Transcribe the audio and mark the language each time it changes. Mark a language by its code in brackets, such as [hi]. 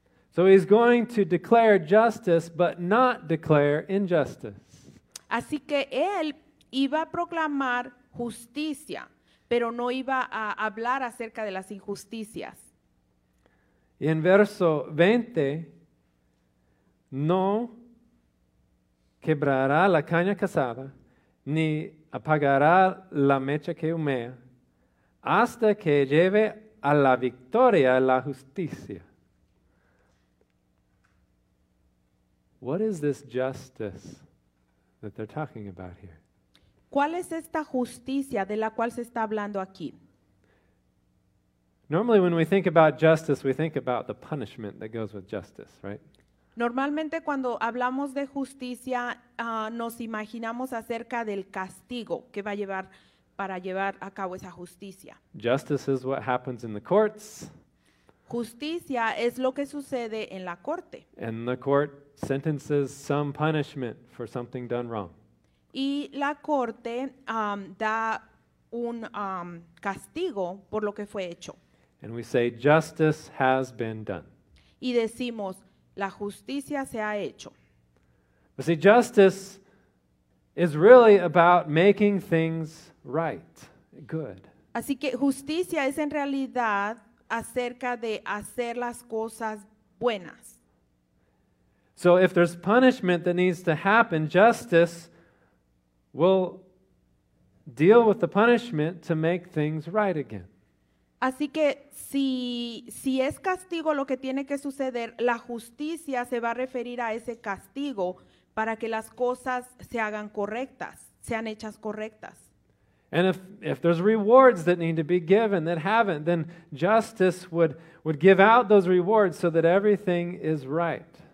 [en] So he's going to declare justice, but not declare injustice. [es] Así que él iba a proclamar justicia, pero no iba a hablar acerca de las injusticias. Y en verso 20, no quebrará la caña casada, ni apagará la mecha que humea, hasta que lleve a la victoria la justicia. [en] What is this justice that they're talking about here? [es] ¿Cuál es esta justicia de la cual se está hablando aquí? [en] Normally when we think about justice, we think about the punishment that goes with justice, right? [es] Normalmente cuando hablamos de justicia, nos imaginamos acerca del castigo que va a llevar para llevar a cabo esa justicia. [en] Justice is what happens in the courts. [es] Justicia es lo que sucede en la corte. [en] And the court sentences some punishment for something done wrong. [es] Y la corte da un castigo por lo que fue hecho. [en] And we say justice has been done. [es] Y decimos la justicia se ha hecho. [en] But see, justice is really about making things right, good. [es] Así que justicia es en realidad acerca de hacer las cosas buenas. [en] So if there's punishment that needs to happen, justice will deal with the punishment to make things right again. [es] Así que si es castigo lo que tiene que suceder, la justicia se va a referir a ese castigo para que las cosas se hagan correctas, sean hechas correctas. [en] And if there's rewards that need to be given that haven't, then justice would give out those rewards so that everything is right.